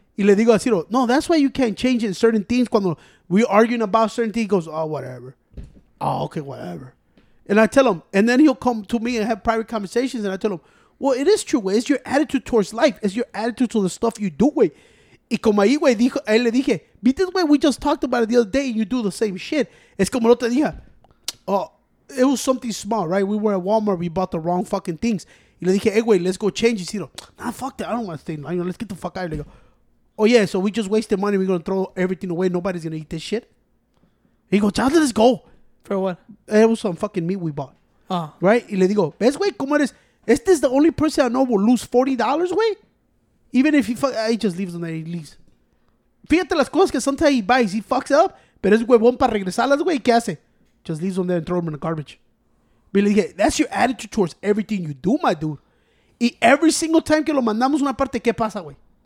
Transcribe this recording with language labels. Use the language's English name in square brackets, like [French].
[Spanish] Y le digo a Ciro, no, [English] that's why you can't change it in certain things. [Spanish] Cuando [English] we're arguing about certain things, he goes, oh, whatever. Oh, okay, whatever. And I tell him, and then he'll come to me and have private conversations, and I tell him, well, it is true, güey. It's your attitude towards life. It's your attitude to the stuff you do, güey. [Spanish] Y como ahí, güey, dijo, él le dije, ¿viste, güey? [English] We just talked about it the other day, and you do the same shit. [Spanish] Es como el otro día. [English] Oh, it was something small, right? We were at Walmart. We bought the wrong fucking things. [Spanish] Y le dije, hey, güey, [English] let's go change it. Cito, nah, fuck that. I don't want to stay in line. Let's get the fuck out of here. Oh, yeah, so we just wasted money. We're going to throw everything away. Nobody's going to eat this shit. He goes, child, let's go. For what? It was some fucking meat we bought. Right? [Spanish] Y le digo, ¿ves, güey? ¿Cómo eres? [English] ¿Este es the only person I know will lose $40, güey? Even if he just leaves and he leaves. [Spanish] Fíjate las cosas que [English] sometimes he buys. He fucks up. [Spanish] Pero es huevón para regresarlas, güey. ¿Qué hace? [English] Just leaves them there and throw them in the garbage. [Spanish] Y le dije, [English] that's your attitude towards everything you do, my dude. [Spanish] Y [English] every single time [Spanish] que lo mandamos una parte, ¿qué pasa, güey?